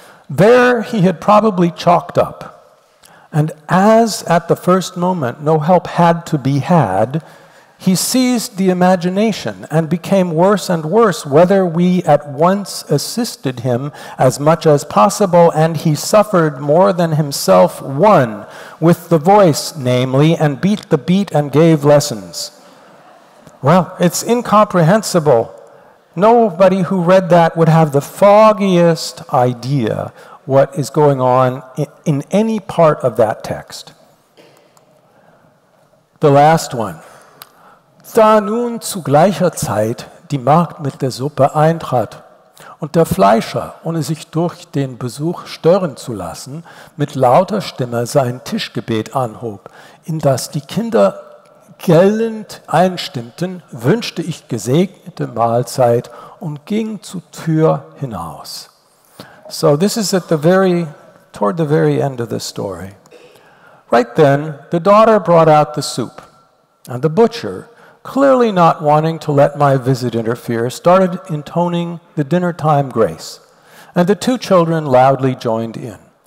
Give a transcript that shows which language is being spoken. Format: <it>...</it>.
<en>There he had probably chalked up, and as at the first moment no help had to be had, he seized the imagination and became worse and worse, whether we at once assisted him as much as possible, and he suffered more than himself one with the voice, namely, and beat the beat and gave lessons. Well, it's incomprehensible. Nobody who read that would have the foggiest idea what is going on in any part of that text. The last one.</en> <de>Da nun zu gleicher Zeit die Magd mit der Suppe eintrat und der Fleischer, ohne sich durch den Besuch stören zu lassen, mit lauter Stimme sein Tischgebet anhob, in das die Kinder gellend einstimmten, wünschte ich gesegnete Mahlzeit und ging zur Tür hinaus.</de> <en>So this is toward the very end of the story. Right then, the daughter brought out the soup, and the butcher, clearly not wanting to let my visit interfere, started intoning the dinner time grace, and the two children loudly joined in.</en>